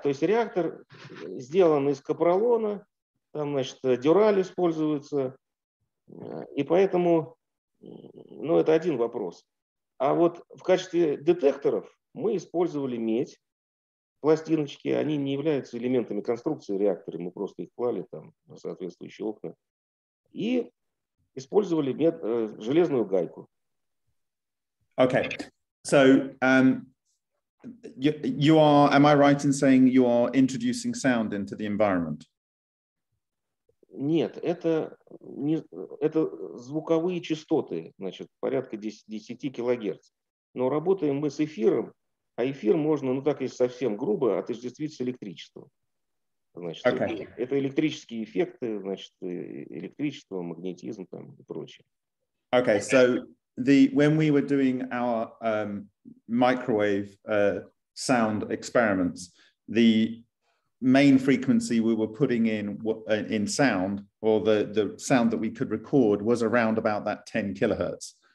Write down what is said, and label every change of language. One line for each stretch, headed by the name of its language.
Russian: То есть реактор сделан из капролона, там, значит, дюраль используется, и поэтому, ну, это один вопрос. А вот в качестве детекторов мы использовали медь, пластиночки, они не являются элементами конструкции реактора, мы просто их клали там на соответствующие окна, и использовали железную гайку.
English: Okay, so you are, am I right in saying you are introducing sound into the environment?
Russian: Нет, это не, это звуковые частоты, значит, порядка 10 килогерц. Но работаем мы с эфиром, а эфир можно, ну так и совсем грубо, отождествить с электричеством. Значит, okay. Это электрические эффекты, значит, электричество, магнетизм там и прочее.
English: Okay, so when we were doing our microwave sound experiments, the main frequency we were putting in sound, or the sound that we could record, was around about that 10 kilohertz.